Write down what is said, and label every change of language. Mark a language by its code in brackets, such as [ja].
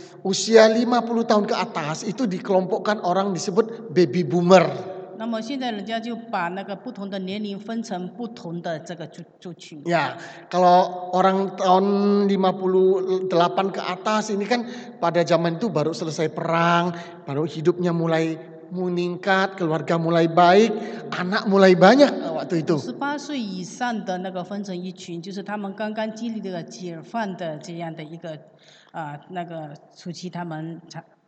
[id] usia 50 tahun ke atas itu dikelompokkan orang disebut baby boomer. [zh] 那么现在人家就把那个不同的年龄分成不同的这个族群。 [id] Ya, kalau orang tahun 58 ke atas ini kan pada zaman itu baru selesai perang, baru hidupnya mulai meningkat, keluarga mulai baik, anak mulai banyak waktu itu. [zh] 58岁以上的那个分成一群，就是他们刚刚经历这个解放的这样的一个那个初期，他们才。